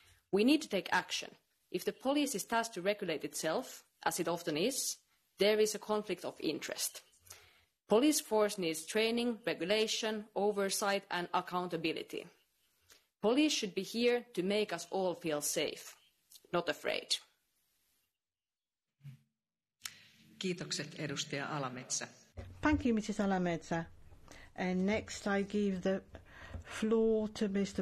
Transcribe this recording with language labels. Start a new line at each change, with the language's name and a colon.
English: We need to take action. If the police is tasked to regulate itself, as it often is, there is a conflict of interest. Police force needs training, regulation, oversight and accountability. Police should be here to make us all feel safe, not afraid.
Finnish: Kiitokset, edustaja Alametsä.
English: Thank you, Mrs. Alametsä. And next I give the floor to Mr.